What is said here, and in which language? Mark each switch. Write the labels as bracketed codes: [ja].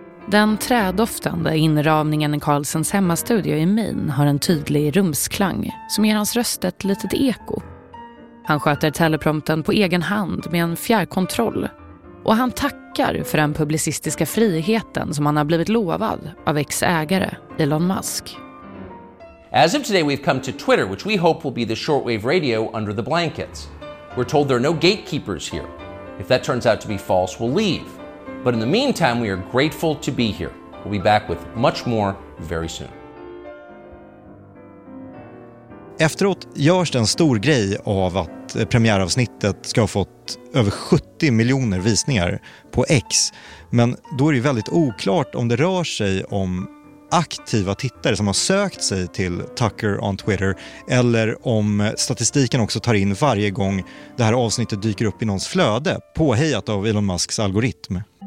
[sv] Den trädoftande inramningen i Carlsons hemmastudio i Maine har en tydlig rumsklang som ger hans röst ett litet eko. Han sköter teleprompten på egen hand med en fjärrkontroll och han tackar för den publicistiska friheten som han har blivit lovad av ex-ägare Elon Musk. [en] As of today we've come to Twitter, which we hope will be the shortwave radio under the blankets. We're told there are no gatekeepers here. If that turns out to be false, we'll leave. But in the meantime, we are grateful to be here. We'll be back with much more very soon. [sv] Efteråt görs det en stor grej av att premiäravsnittet ska ha fått över 70 miljoner visningar på X. Men då är det väldigt oklart om det rör sig om aktiva tittare som har sökt sig till Tucker on Twitter eller om statistiken också tar in varje gång det här avsnittet dyker upp i någons flöde påhejat av Elon Musks algoritm.